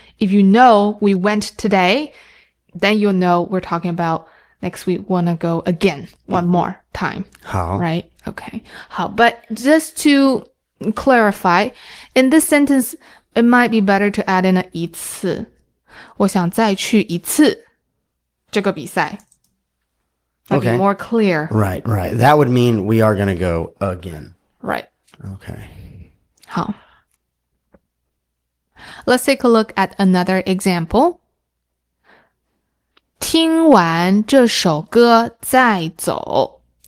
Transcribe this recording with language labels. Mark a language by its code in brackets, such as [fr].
[en] If you know we went today, then you'll know we're talking about next week, want to go again one more time. How? Right? Okay. How? But just to clarify, in this sentence, it might be better to add in a 一次. [zh] 我想再去一次这个比赛。 [en] Okay. More clear. Right, right. That would mean we are going to go again. Right. Okay. [zh] 好。 [en] Let's take a look at another example. [zh] 听完这首歌再走。